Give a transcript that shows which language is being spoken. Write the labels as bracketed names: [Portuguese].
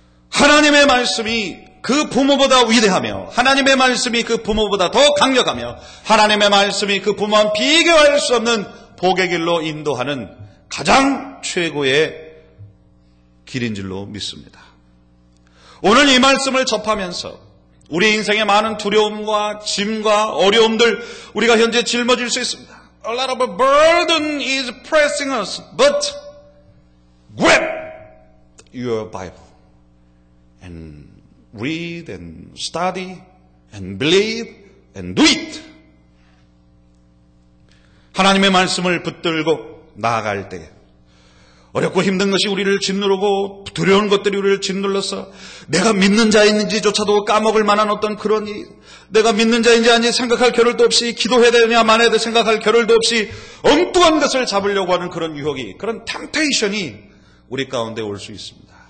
[Korean] 하나님의 말씀이 그 부모보다 위대하며 하나님의 말씀이 그 부모보다 더 강력하며 하나님의 말씀이 그 부모와 비교할 수 없는 복의 길로 인도하는 가장 최고의 길인 줄로 믿습니다. 오늘 이 말씀을 접하면서 우리 인생에 많은 두려움과 짐과 어려움들 우리가 현재 짊어질 수 있습니다. [English] A lot of a burden is pressing us, but grab your Bible and read and study and believe and do it. [Korean] 하나님의 말씀을 붙들고 나아갈 때 어렵고 힘든 것이 우리를 짓누르고 두려운 것들이 우리를 짓눌러서 내가 믿는 자인지조차도 까먹을 만한 어떤 그런 일 내가 믿는 자인지 아닌지 생각할 겨를도 없이 기도해야 되느냐 말아야 되 생각할 겨를도 없이 엉뚱한 것을 잡으려고 하는 그런 유혹이 그런 템테이션이 우리 가운데 올 수 있습니다.